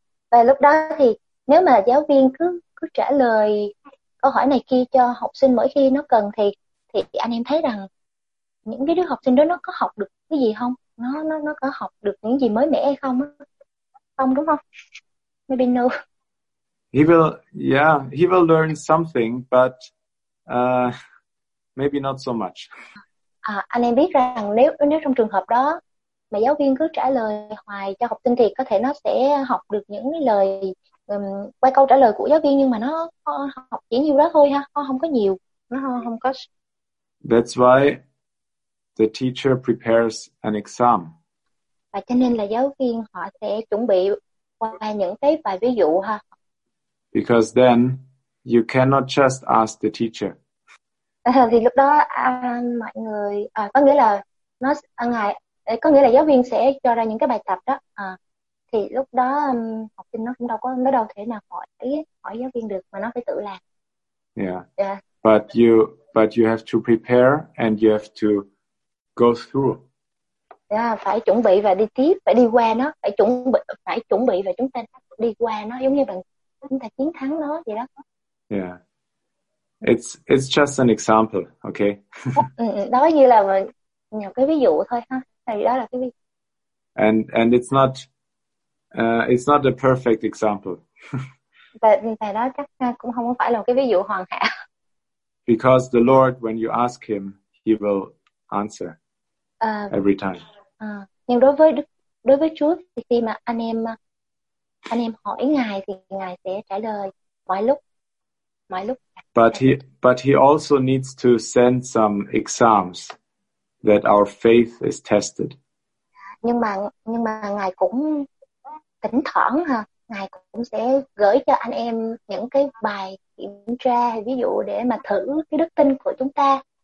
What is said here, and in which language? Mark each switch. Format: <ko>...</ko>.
<vi>Và lúc đó thì nếu mà giáo viên cứ trả lời câu hỏi này kia cho học sinh mỗi khi nó cần thì anh em thấy rằng những cái đứa học sinh đó nó có học được cái gì không? Nó có học được những gì mới mẻ hay không? Không đúng không?</vi> <en>Maybe no. He will learn something, but maybe not so much.</en> <vi>À, anh em biết rằng nếu trong trường hợp đó mà giáo viên cứ trả lời hoài cho học sinh thì có thể nó sẽ học được những cái lời quay câu trả lời của giáo viên, nhưng mà nó học chỉ nhiêu đó thôi ha, không có nhiều, nó không có.</vi> <en>That's why the teacher prepares an exam.</en> <vi>Và cho nên là giáo viên họ sẽ chuẩn bị qua những cái bài ví dụ ha.</vi> <en>Because then you cannot just ask the teacher.</en> <vi>Thì lúc đó mọi người có nghĩa là nó ngài có nghĩa là giáo viên sẽ cho ra những cái bài tập đó à, thì lúc đó học sinh nó cũng đâu có nó đâu thể nào hỏi giáo viên được, mà nó phải tự làm.</vi> <en>Yeah. But you have to prepare and you have to go through.</en> <vi>Yeah, phải chuẩn bị và đi tiếp, phải đi qua nó, phải chuẩn bị và chúng ta đi qua nó, giống như bằng chúng ta chiến thắng nó vậy đó.</vi> <en>Yeah. It's just an example, okay?</en> <vi>Đó như là nhiều cái ví dụ thôi ha. Thì đó là cái ví dụ.</vi> <en>And it's not a perfect example.</en> <vi>Và đó chắc cũng không phải là cái ví dụ hoàn hảo.</vi> <en>Because the Lord, when you ask him, he will answer every time.</en> <vi>Nhưng đối với Chúa thì khi mà anh em hỏi Ngài thì Ngài sẽ trả lời mọi lúc.</vi> <en>But he also needs to send some exams that our faith is tested.</en> <vi>Nhưng mà Ngài cũng thỉnh thoảng ha, Ngài cũng sẽ gửi cho anh em những cái bài kiểm tra, ví dụ để mà thử cái đức tin của chúng ta.</vi>